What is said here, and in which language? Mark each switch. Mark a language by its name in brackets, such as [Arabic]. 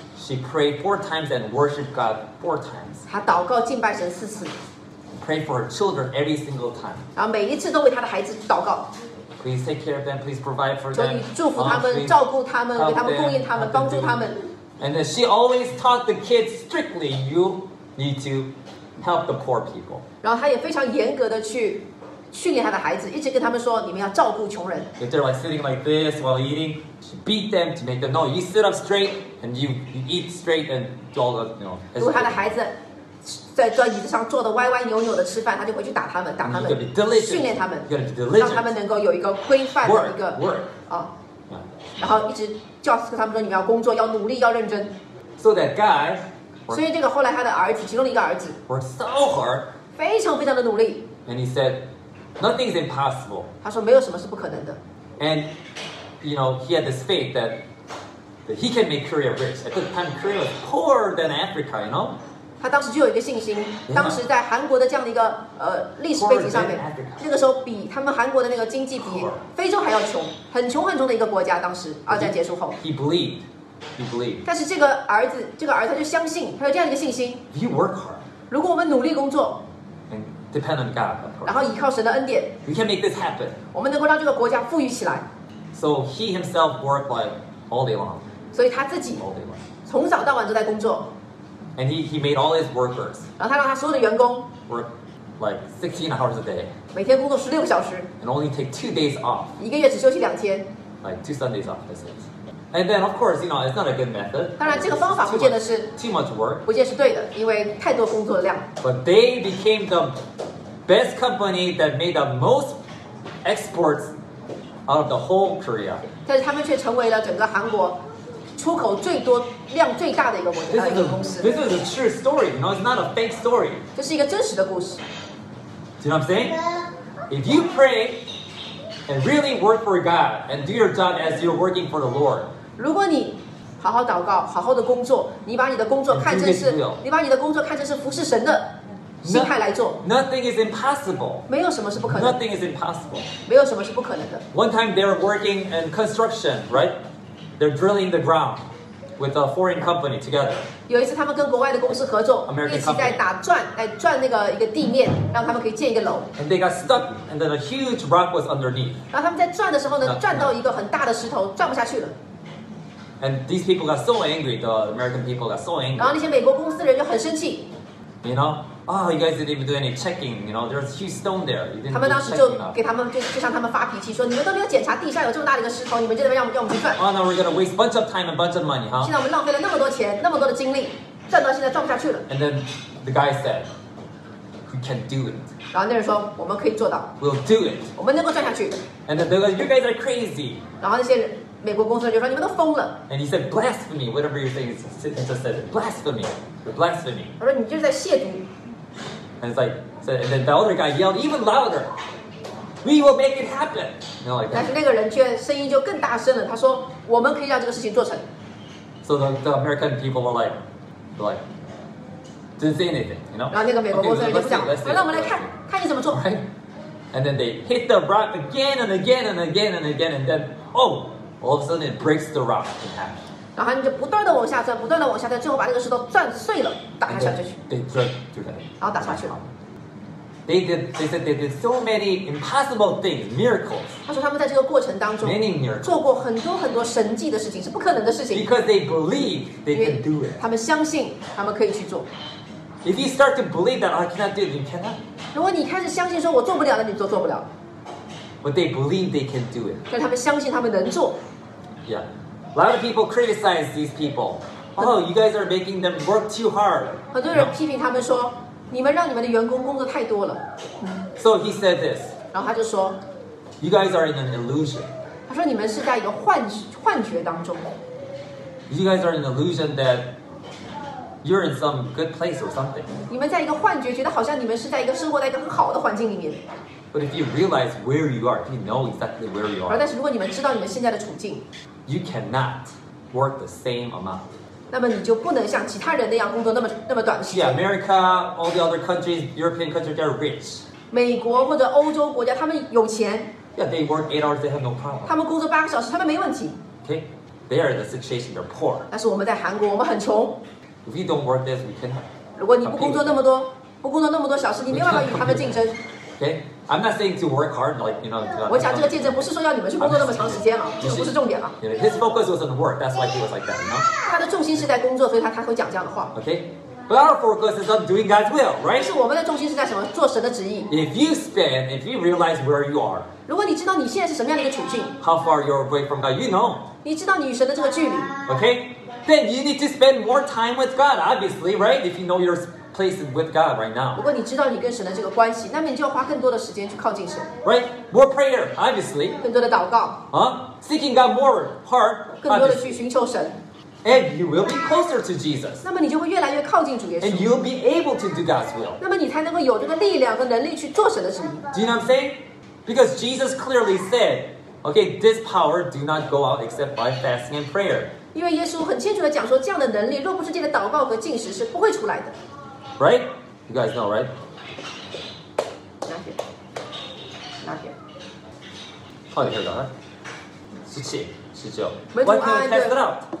[English] she prayed four times and worshiped God four times. [Chinese] 她祷告敬拜神四次。 [English] Pray for her children every single time. [Chinese] 然后每一次都为她的孩子祷告。 [English] Please take care of them. Please provide for them. [Chinese] 求你祝福他们，照顾他们，给他们供应他们，帮助他们。 [English] And then she always taught the kids strictly. You need to help the poor people. [Chinese] 然后她也非常严格的去训练她的孩子，一直跟他们说，你们要照顾穷人。 [English] If they're like sitting like this while eating, she beat them to make them know. You sit up straight and you eat straight and do all the, you know. [Chinese] 如果她的孩子在椅子上坐的歪歪扭扭的吃饭，他就回去打他们，打他们， [English] be diligent, [Chinese] 训练他们， [English] be diligent, [Chinese] 让他们能够有一个规范的一个 [English] work. [Chinese] 然后一直教导他们说你们要工作，要努力，要认真。 [English] So that guy, [Chinese] 所以这个后来他的儿子，其中的一个儿子 [English] ，worked so hard, [Chinese] 非常非常的努力。 [English] And he said, nothing is impossible. [Chinese] 他说没有什么是不可能的。 [English] And you know he had this faith that he can make Korea rich. At the time, Korea was poorer than Africa, you know. [Chinese] 他当时就有一个信心，当时在韩国的这样的一个历史背景上面，那个时候比他们韩国的那个经济比非洲还要穷，很穷很穷的一个国家。当时二战结束后 [English] ，He believed. [Chinese] 但是这个儿子他就相信，他有这样一个信心。 [English] You work hard. [Chinese] 如果我们努力工作 [English] ，And depend on God, of course. [Chinese] 然后依靠神的恩典 [English] ，We can make this happen. [Chinese] 我们能够让这个国家富裕起来。 [English] So he himself worked like all day long. [Chinese] 所以他自己从早到晚都在工作。 [English] And he made all his workers. [Chinese] 然后他让他所有的员工 [English] work like 16 hours a day. [Chinese] 每天工作16小时。 [English] And only take 2 days off. 一个月只休息两天。 Like 2 Sundays off, that's it. And then, of course, you know, it's not a good method. [Chinese] 当然，这个方法不见得是 [English] too much work. [Chinese] 不见得是对的，因为太多工作的量。 [English] But they became the best company that made the most exports out of the whole Korea. [Chinese] 但是他们却成为了整个韩国。出口最多量最大的一个国家的公司。 [English] This is a true story. No, it's not a fake story. [Chinese] 这是一个真实的故事。 [English] Do you know what I'm saying? If you pray and really work for God and do your job as you're working for the Lord, [Chinese] 如果你好好祷告，好好的工作，你把你的工作看成是，你把你的工作看成是服侍神的心态来做。 [English] Nothing is impossible. [Chinese] 没有什么是不可能。 [English] Nothing is impossible. [Chinese] 没有什么是不可能的。 [English] One time they were working in construction, right? They're drilling the ground with a foreign company together. [Chinese] 有一次，他们跟国外的公司合作，一起在打钻，来钻那个一个地面，让他们可以建一个楼。 [English] And they got stuck, and then a huge rock was underneath. [Chinese] 然后他们在钻的时候呢，钻到一个很大的石头，钻不下去了。 [English] And these people got so angry. The American people got so angry. [Chinese] 然后那些美国公司人就很生气。 [English] You know, ah,、oh, you guys didn't even do any checking. You know, there's huge stone there. [Chinese] 他们当时就给他们就向他们发脾气，说你们都没有检查地下有这么大的一个石头，你们就在那边让我们去钻。 [English] Oh, now we're gonna waste bunch of time and bunch of money, huh? [Chinese] 现在我们浪费了那么多钱，那么多的精力，钻到现在钻不下去了。 [English] And then the guy said, "We can do it." [Chinese] 然后那人说，我们可以做到。 [English] We'll do it. [Chinese] 我们能够钻下去。 [English] And then they're like, "You guys are crazy." [Chinese] 然后那些人。美国公司就说你们都疯了。 [English] And he said blasphemy, whatever you're saying, he just said blasphemy, blasphemy. [Chinese] 他说你就是在亵渎。 [English] And it's like, and then the other guy yelled even louder, "We will make it happen." You know, like. [Chinese] 但是那个人却声音就更大声了。他说我们可以让这个事情做成。 [English] So the American people were like, didn't say anything, you know. [Chinese] 然后那个美国公司就讲，来，让我们来看看你怎么做。 [English] And then they hit the rock again and again and again and again, and then oh. All of a sudden, it breaks the rock in half. [Chinese] 然后你就不断的往下钻，不断的往下钻，最后把那个石头钻碎了，打下去。 [English] They drilled through that. [Chinese] 然后打下去了。 [English] They said they did so many impossible things, miracles. [Chinese] 他说他们在这个过程当中 [English] ，many miracles [Chinese] 做过很多很多神迹的事情，是不可能的事情。 [English] Because they believe they can do it. [Chinese] 他们相信他们可以去做。 [English] If you start to believe that I cannot do it, you cannot. [Chinese] 如果你开始相信说我做不了了，你就做不了。 [English] But they believe they can do it. [Chinese] 但他们相信他们能做。 [English] Yeah, a lot of people criticize these people. Oh, you guys are making them work too hard. [Chinese] 很多人批评他们说，你们让你们的员工工作太多了。 [English] So he said this. [Chinese] 然后他就说 [English] ，You guys are in an illusion. [Chinese] 他说你们是在一个幻觉当中。 [English] You guys are in an illusion that you're in some good place or something. [Chinese] 你们在一个幻觉，觉得好像你们是在一个生活在一个很好的环境里面。 [English] But if you realize where you are, if you know exactly where you are, [Chinese] 但是如果你们知道你们现在的处境 [English] ，you cannot work the same amount. [Chinese] 那么你就不能像其他人那样工作那么短时间。 [English] Yeah, America, all the other countries, European countries, they're rich. [Chinese] 美国或者欧洲国家，他们有钱。 [English] Yeah, they work 8 hours, they have no problem. [Chinese] 他们工作八个小时，他们没问题。 [English] Okay, they are in the situation they're poor. [Chinese] 但是我们在韩国，我们很穷。 [English] If you don't work this, we cannot. [Chinese] 如果你不工作那么多，不工作那么多小时，你没办法与他们竞争。 [English] Okay. I'm not saying to work hard, like you know. [Chinese] 我讲这个见证不是说要你们去工作那么长时间啊，这不是重点啊。 [English] You know, his focus was on work. That's why he was like that, you know. [Chinese] 他的重心是在工作，所以他会讲这样的话。 [English] Okay, but our focus is on doing God's will, right? [Chinese] 是我们的重心是在什么？做神的旨意。 [English] If you spend, if you realize where you are, [Chinese] 如果你知道你现在是什么样的一个处境 [English] ，How far you're away from God, you know. [Chinese] 你知道你与神的这个距离。 [English] Okay, then you need to spend more time with God, obviously, right? If you know your place with God right now. [Chinese] 如果你知道你跟神的这个关系，那么你就要花更多的时间去靠近神。 [English] Right, more prayer, obviously. [Chinese] 更多的祷告。 [English] Seeking God more hard. [Chinese] 更多的去寻求神。 [English] And you will be closer to Jesus. [Chinese] 那么你就会越来越靠近主耶稣。 [English] And you'll be able to do God's will. [Chinese] 那么你才能够有这个力量和能力去做神的旨意。 [English] Do you know what I'm saying? Because Jesus clearly said, "Okay, this power do not go out except by fasting and prayer." [Chinese] 因为耶稣很清楚的讲说，这样的能力若不是借着祷告和禁食，是不会出来的。 [English] Right? You guys know, right? Not here. Not here. How did you hear that? 17, 19. Why can't we test it out?